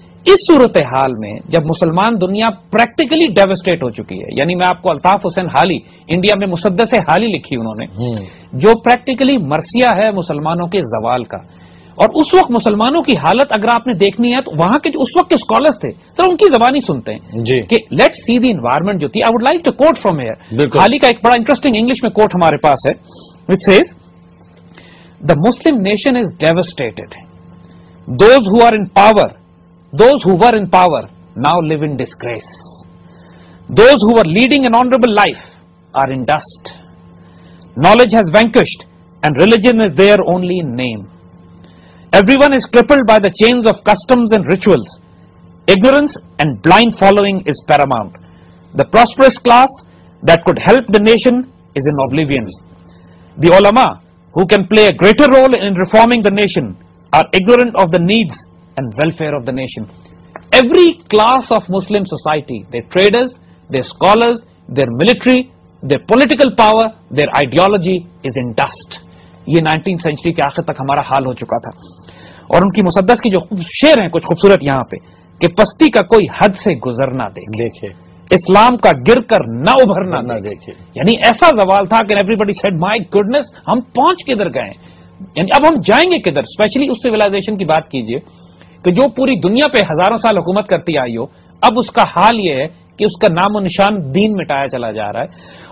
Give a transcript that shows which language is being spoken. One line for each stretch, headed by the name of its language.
Urdu: اس صورتحال میں جب مسلمان دنیا پریکٹیکلی ڈیوسٹیٹ ہو چکی ہے, یعنی میں آپ کو الطاف حسین حالی انڈیا میں مسدس حالی لکھی انہوں نے جو پریکٹیکلی مرثیا ہے مسلمانوں کے زوال کا, اور اس وقت مسلمانوں کی حالت اگر آپ نے دیکھنی ہے تو وہاں کے جو اس وقت کے اسکالرس تھے تو ان کی زبان ہی سنتے ہیں جی
English: کہ let see the environment جو تھی. I would like to quote from here,
Urdu: حالی کا ایک بڑا انٹرسٹنگ انگلش میں کوٹ ہمارے پاس ہے,
English: Which says the Muslim nation is devastated, those who are in power those who were in power now live in disgrace, those who were leading an honorable life are in dust, knowledge has vanquished and religion is there only in name, everyone is crippled by the chains of customs and rituals, ignorance and blind following is paramount, the prosperous class that could help the nation is in oblivion, the ulama who can play a greater role in reforming the nation are ignorant of the needs and welfare of the nation, every class of Muslim society, their traders, their scholars, their military, their political power, their ideology is in dust.
Urdu: یہ 19th century کے آخر تک ہمارا حال ہو چکا تھا. اور ان کی مسدس کی جو شعر ہیں کچھ خوبصورت یہاں پہ, کہ پستی کا کوئی حد سے گزرنا دیکھے, اسلام کا گر کر نہ ابھرنا نہ دیکھے, یعنی ایسا زوال تھا کہ
English: everybody said my goodness
Urdu: ہم پہنچ کدھر گئے ہیں, یعنی اب ہم جائیں گے کدھر, اسپیشلی اس سولاشن کی بات کیجیے کہ جو پوری دنیا پہ ہزاروں سال حکومت کرتی آئی ہو, اب اس کا حال یہ ہے کہ اس کا نام و نشان دین مٹایا چلا جا رہا ہے.